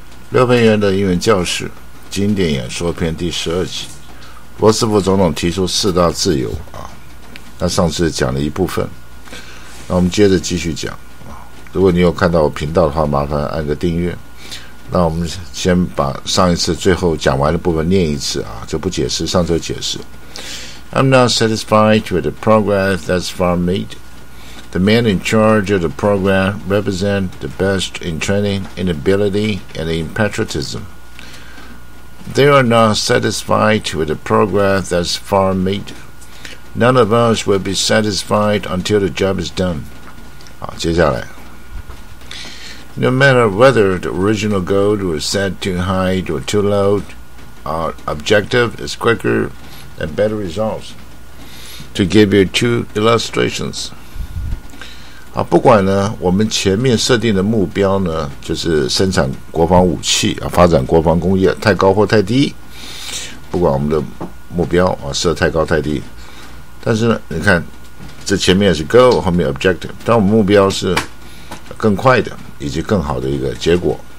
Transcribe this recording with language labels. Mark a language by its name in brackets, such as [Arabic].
[Chinese] 刘培元的英文教室经典演说篇第十二集，罗斯福总统提出四大自由啊，那上次讲了一部分，那我们接着继续讲啊。如果你有看到我频道的话，麻烦按个订阅。那我们先把上一次最后讲完的部分念一次啊，就不解释，上周解释。 [English] I'm not satisfied with the progress thus far made. The men in charge of the program represent the best in training, in ability, and in patriotism. They are not satisfied with the progress thus far made. None of us will be satisfied until the job is done. [Chinese] 好，接下来。 [English] No matter whether the original goal was set too high or too low, our objective is quicker and better results. To give you two illustrations. [Chinese] 好，不管呢，我们前面设定的目标呢，就是生产国防武器啊，发展国防工业太高或太低，不管我们的目标啊设太高太低，但是呢，你看这前面是 goal， 后面 objective， 但我们目标是更快的以及更好的一个结果。